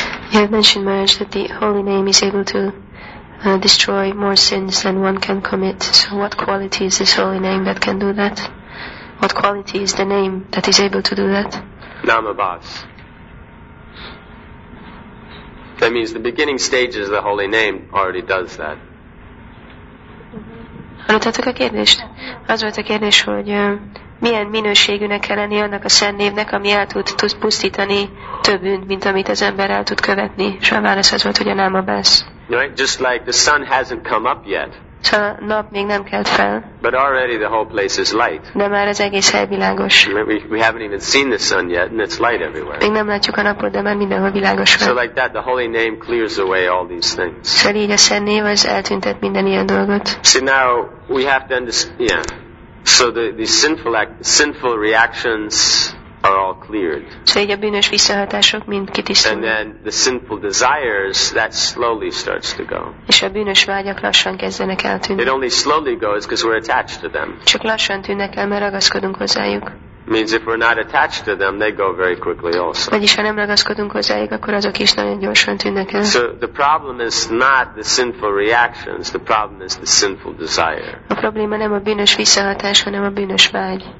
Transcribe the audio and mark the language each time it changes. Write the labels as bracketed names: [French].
[English] You have mentioned, Maharaj, that the holy name is able to destroy more sins than one can commit. So what quality is this holy name that can do that? What quality is the name that is able to do that? Namabhas. That means the beginning stages of the holy name already does that. [Hungarian] Hallottátok a kérdést? Az volt a kérdés, hogy milyen minőségűnek kell lenni annak a szent névnek, ami el tud pusztítani több bűnt, mint amit az ember el tud követni. És a válasz az volt, hogy a námabász. [English] Right, just like the sun hasn't come up yet. [Hungarian] A nap még nem kelt fel. [English] But already the whole place is light. [Hungarian] De már az egész hely világos. [English] We haven't even seen the sun yet, and it's light everywhere. [Hungarian] Még nem látjuk a napot, de már mindenhol világos van. [English] So like that, the holy name clears away all these things. [Hungarian] Szóval így a szent név az eltüntet minden ilyen dolgot. [English] See, now we have to understand. Yeah. So the sinful reactions are all cleared. [Hungarian] So így a bűnös visszahatások mind kitisztulnak. [English] And then the sinful desires, that slowly starts to go. [Hungarian] És a bűnös vágyak lassan kezdenek eltűnni. [English] It only slowly goes because we're attached to them. [Hungarian] Csak lassan tűnnek el, mert ragaszkodunk hozzájuk. [English] Means if we're not attached to them, they go very quickly also. [Hungarian] Vagyis ha nem ragaszkodunk hozzájuk, akkor azok is nagyon gyorsan tűnnek el. [English] So the problem is not the sinful reactions, the problem is the sinful desire. [Hungarian] A probléma nem a bűnös visszahatás, hanem a bűnös vágy.